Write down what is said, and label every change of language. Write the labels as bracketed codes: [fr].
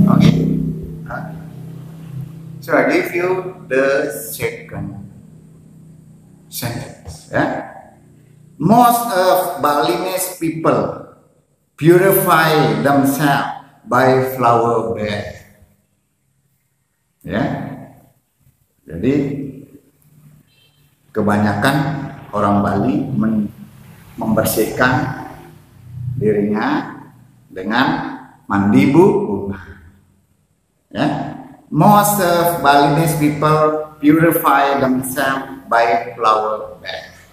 [en] Okay. So I give you the second sentence. Yeah. Most of Balinese people purify themselves by flower bath. Yeah. [id] Jadi kebanyakan orang Bali membersihkan dirinya dengan mandi bunga. [en] Yeah. Most of Balinese people purify themselves by flower bath.